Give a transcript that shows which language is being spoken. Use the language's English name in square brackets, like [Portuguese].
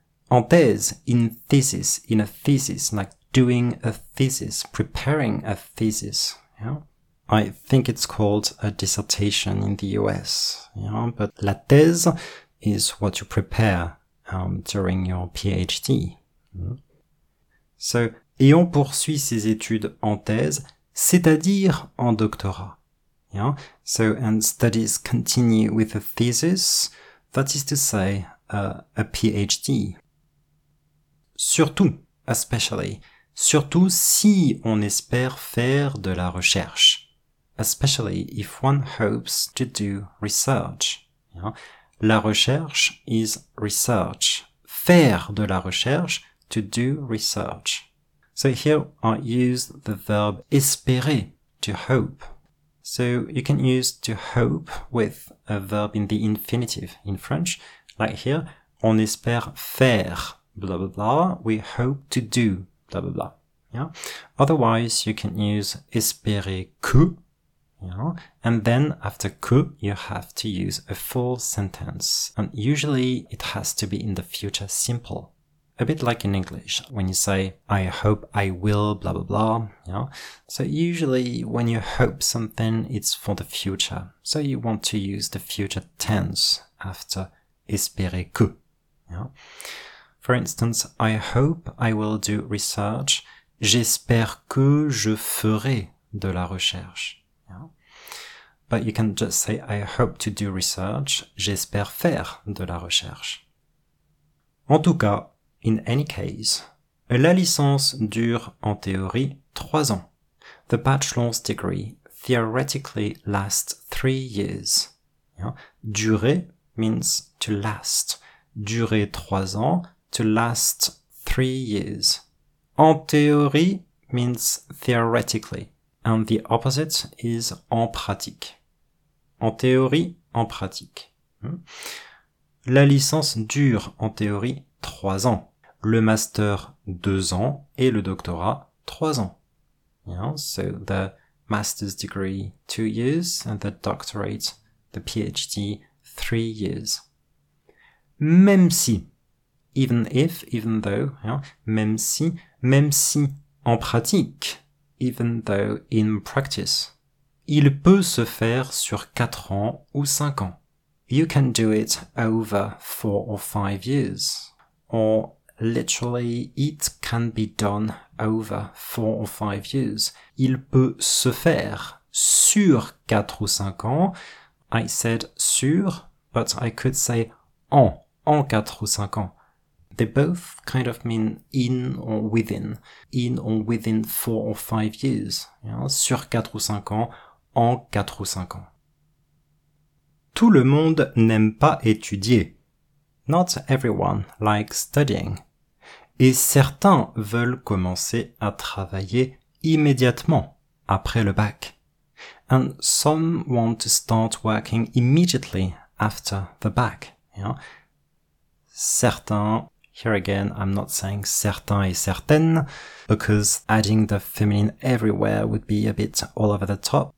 [French] En thèse, [English] in a thesis, like doing a thesis, preparing a thesis. Yeah? I think it's called a dissertation in the US. Yeah? But la thèse is what you prepare during your PhD. [French] So, et on poursuit ses études en thèse, c'est-à-dire en doctorat. [English] Yeah? So, and studies continue with a thesis, that is to say, a PhD. [French] Surtout, [English] especially, [French] surtout si on espère faire de la recherche. [English] Especially if one hopes to do research. Yeah? La recherche is research. Faire de la recherche, to do research. So here I use the verb espérer, to hope. So you can use to hope with a verb in the infinitive in French. Like here, [French] on espère faire, [English] blah, blah, blah. We hope to do, blah, blah, blah. Yeah? Otherwise, you can use espérer que. Yeah? And then after que, you have to use a full sentence. And usually it has to be in the future simple. A bit like in English, when you say, I hope I will, blah, blah, blah. Yeah? So usually when you hope something, it's for the future. So you want to use the future tense after espérer que. Yeah? For instance, I hope I will do research. [French] J'espère que je ferai de la recherche. [English] Yeah? But you can just say, I hope to do research. [French] J'espère faire de la recherche. En tout cas, [English] in any case, [French] la licence dure en théorie 3 ans. [English] The bachelor's degree theoretically lasts 3 years. Yeah? Durer means to last. [French] Durer 3 ans, [English] to last 3 years. En théorie means theoretically. And the opposite is en pratique. [French] En théorie, en pratique. La licence dure en théorie 3 ans. Le master, 2 ans, et le doctorat, 3 ans. [English] Yeah, so, the master's degree, 2 years, and the doctorate, the PhD, 3 years. [French] Même si, [English] even if, even though, yeah, [French] même si, en pratique, [English] even though, in practice, [French] il peut se faire sur 4 ans ou 5 ans. [English] You can do it over 4 or 5 years, or Literally, it can be done over 4 or 5 years. [French] Il peut se faire sur 4 ou 5 ans. [English] I said sur, but I could say en 4 ou 5 ans. They both kind of mean in or within 4 or 5 years. [French] Yeah? Sur 4 ou 5 ans, en 4 ou 5 ans. Tout le monde n'aime pas étudier. [English] Not everyone likes studying. [French] Et certains veulent commencer à travailler immédiatement après le bac. [English] And some want to start working immediately after the bac. Yeah? Certains, here again, I'm not saying certains et certaines, because adding the feminine everywhere would be a bit all over the top.